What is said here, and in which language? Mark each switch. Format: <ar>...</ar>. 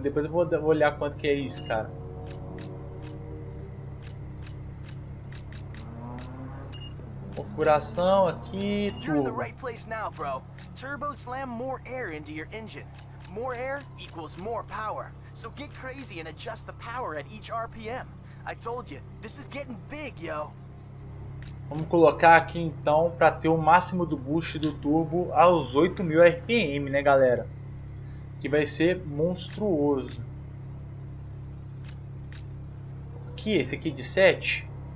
<pt>Depois eu vou olhar quanto que é isso, cara. Configuração aqui, turbo.</pt> <en>You're in the right place now, bro. Turbo slam more air into your engine. More air equals more power. So get crazy and adjust the power at each RPM. I told you, this is getting big, yo.</en> <pt>Vamos colocar aqui então para ter o máximo do boost do turbo aos 8000 RPM, né, galera? Que vai ser monstruoso. Aqui, esse aqui de 7?</pt>